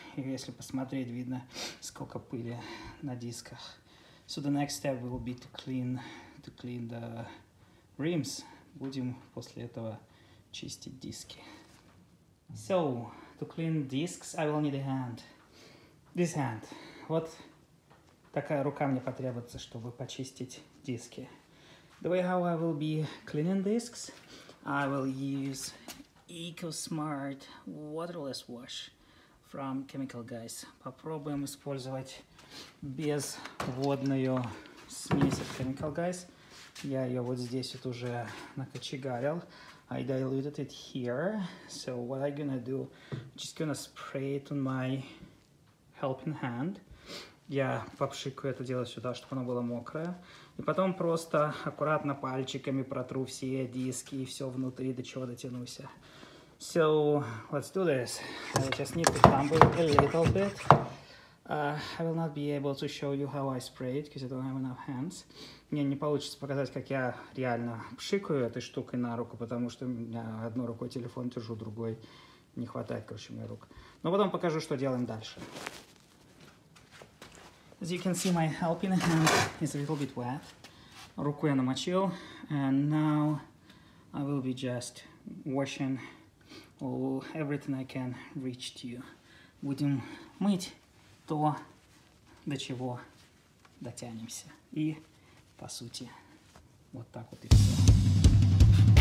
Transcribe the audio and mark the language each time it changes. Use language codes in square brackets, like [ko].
[ru] если посмотреть, видно, сколько пыли на дисках. [en] So the next step will be to clean the rims. [ru] Будем после этого чистить диски. [en] So, to clean discs, I will need a hand. This hand. [ru] Вот такая рука мне потребуется, чтобы почистить диски. [en] The way how I will be cleaning discs, I will use EcoSmart waterless wash from Chemical Guys. [ru] Попробуем использовать безводную смесь от Chemical Guys. Я ее вот здесь вот уже накочегарил. [en] I diluted it here. So what I'm gonna do, I'm just gonna spray it on my helping hand. [ru] Я попшикаю это дело сюда, чтобы оно было мокрое. И потом просто аккуратно пальчиками протру все диски и все внутри, до чего дотянусь. [en] So, let's do this. I just need to fumble a little bit. I will not be able to show you how I spray it, because I don't have enough hands. [ru] Мне не получится показать, как я реально пшикаю этой штукой на руку, потому что у меня одной рукой телефон держу, другой не хватает, короче, мне рук. Но потом покажу, что делаем дальше. [en] As you can see, my helping hand is a little bit wet. [ru] Руку я намочил, [en] and now I will be just washing all everything I can reach to you. [ru] Будем мыть то, до чего дотянемся. И, по сути, вот так вот и все.